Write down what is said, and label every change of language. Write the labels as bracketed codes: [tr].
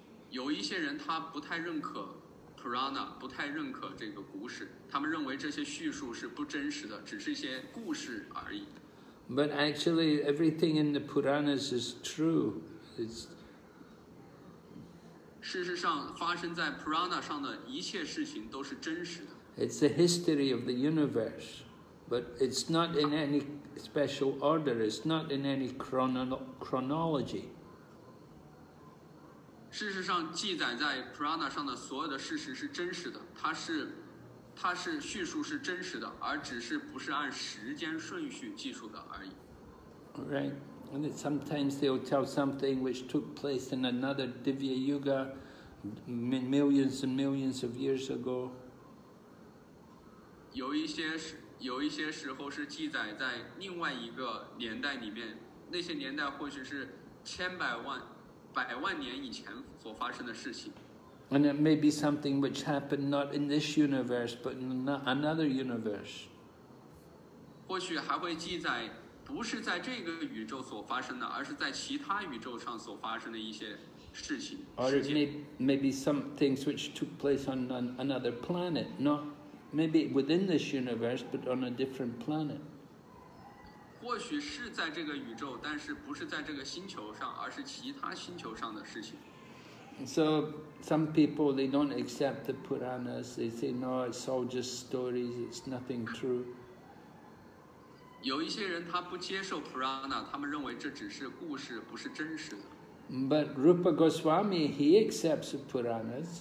[zh] 有一些人他不太认可 Purana 不太认可这个故事他们认为这些叙述是不真实的只是一些故事而已 [en] But actually everything in the Puranas is true It's... [zh] 事实上发生在 Purana 上的一切事情都是真实的 [en] It's the history of the universe But it's not in any special order It's not in any chronology [zh] 事实上记载在 Purana 上的所有的事实是真实的它是叙述是真实的而只是不是按时间顺序记述的而已 [en] Right And sometimes they'll tell something which took place in another Divya Yuga millions and millions of years ago [zh] 有一些时候是记载在另外一个年代里面那些年代或许是千百万百万年以前所发生的事情 [en] And it may be something which happened not in this universe, but in another universe. [zh] 或许还会记载不是在这个宇宙所发生的，而是在其他宇宙上所发生的一些事情。 [en] Or maybe some things which took place on another planet, not maybe within this universe, but on a different planet. [zh] 或许是在这个宇宙，但是不是在这个星球上，而是其他星球上的事情。 [en] So some people, they don't accept the Puranas. They say, no, it's all just stories. It's nothing true. [zh] 有一些人他不接受 Purana, 他们认为这只是故事，不是真实的。 [en] But Rupa Goswami, he accepts the Puranas.